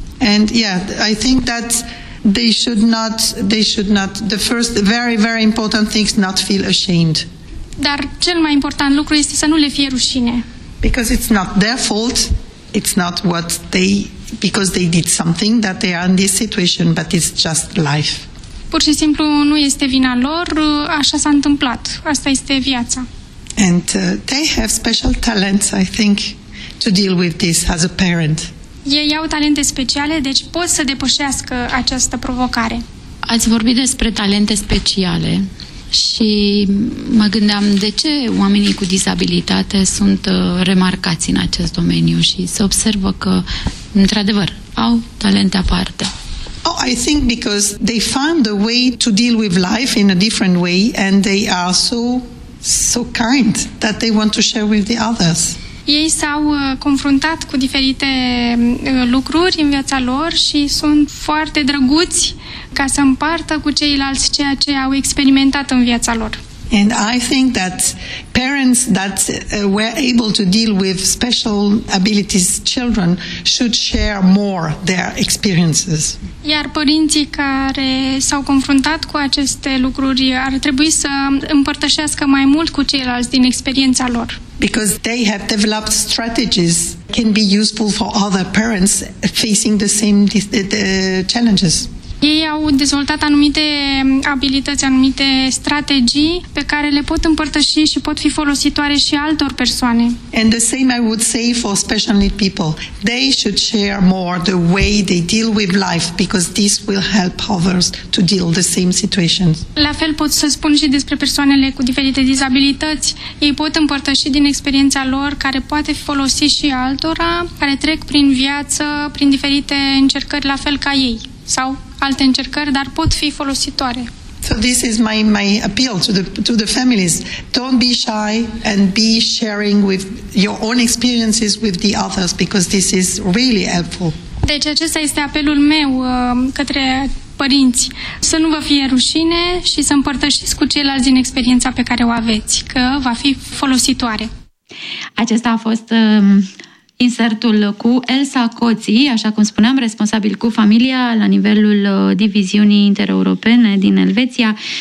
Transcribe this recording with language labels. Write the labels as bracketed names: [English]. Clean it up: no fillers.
[English] And yeah, I think that they should not the first very very important things not feel ashamed. [Romanian] Dar cel mai important lucru este să nu le fie rușine. [English] Because it's not their fault. It's not what they because they did something that they are in this situation, but it's just life. [Romanian] Pur și simplu nu este vina lor, așa s-a întâmplat. Asta este viața. [English] And they have special talents, I think, to deal with this as a parent. [Romanian] Ei au talente speciale, deci pot să depășească această provocare. Ați vorbit despre talente speciale și mă gândeam de ce oamenii cu dizabilitate sunt remarcați în acest domeniu și se observă că, într-adevăr, au talente aparte. [English] Oh, I think because they found a way to deal with life in a different way and they are so kind that they want to share with the others. [Romanian] ei s-au confruntat cu diferite lucruri în viața lor și sunt foarte drăguți ca să împartă cu ceilalți ceea ce au experimentat în viața lor. [English] And I think that parents that were able to deal with special abilities children should share more their experiences. [Romanian] Iar părinții care s-au confruntat cu aceste lucruri ar trebui să împărtășească mai mult cu ceilalți din experiența lor. [English] Because they have developed strategies that can be useful for other parents facing the same challenges. [Romanian] Ei au dezvoltat anumite abilități, anumite strategii pe care le pot împărtăși și pot fi folositoare și altor persoane. [English] And the same I would say for special needs people. They should share more the way they deal with life because this will help others to deal the same situations. [Romanian] La fel pot să spun și despre persoanele cu diferite dizabilități. Ei pot împărtăși din experiența lor care poate folosi și altora care trec prin viață, prin diferite încercări la fel ca ei. Sau alte încercări, dar pot fi folositoare. [English] So this is my appeal to the families. Don't be shy and be sharing with your own experiences with the others because this is really helpful. [Romanian] Deci acesta este apelul meu către părinți. Să nu vă fie rușine și să împărtășiți cu ceilalți din experiența pe care o aveți, că va fi folositoare. Acesta a fost insertul cu Elsa Coții, așa cum spuneam, responsabil cu familia la nivelul diviziunii intereuropene din Elveția.